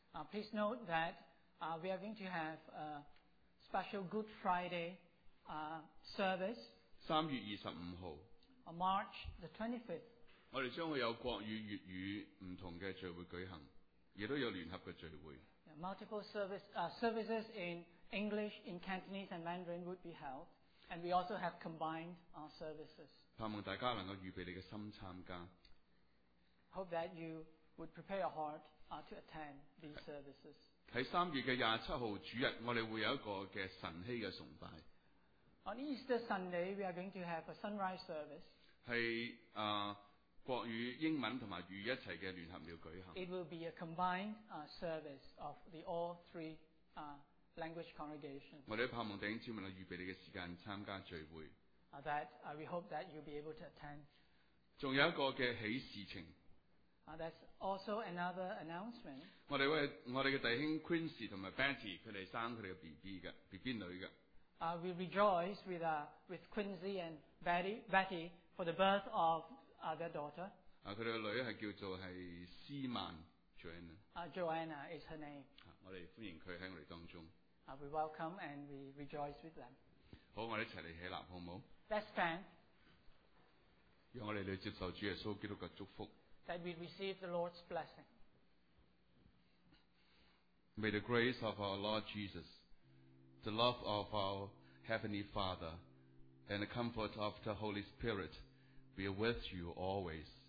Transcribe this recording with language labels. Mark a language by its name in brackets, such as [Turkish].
[English] Please note that we are going to have a special Good Friday service. [Chinese] 3月25号。 [English] March the 25th. [Chinese] 我们将会有国语、粤语不同的聚会举行，也都有联合的聚会。 [English] Yeah, multiple services in English, in Cantonese and Mandarin would be held, and we also have combined our services. [Chinese] 盼望大家能够预备你的心参加。 [English] Hope that you would prepare your heart to attend these services. [Chinese] 在3月27号主日，我们会有一个晨曦的崇拜。 [English] On Easter Sunday, we are going to have a sunrise service. [Chinese] 是国语、英文和粤语一起的联合庙举行。 [English] It will be a combined service of the all three language congregation. [Chinese] 我们盼望弟兄姊妹能预备你的时间参加聚会。 [English] We hope that you'll be able to attend. [Chinese] 还有一个喜事情。 [English] That's also another announcement. [Chinese] 我们的弟兄 Quincy 和 Betty， 他们生他们的 BB 女的。 [English] We rejoice with Quincy and Betty for the birth of their daughter. [Chinese] 他们的女儿叫做是斯曼 Joanna。 [English] Joanna is her name. [Chinese] 我们欢迎他在我们当中。 [English] We welcome and we rejoice with them. [Chinese] 好，我们一起来起立，好吗？ [English] Let's stand. [Chinese] 让我们来接受主耶稣基督的祝福。 [English] That we receive the Lord's blessing. May the grace of our Lord Jesus, the love of our Heavenly Father, and the comfort of the Holy Spirit be with you always.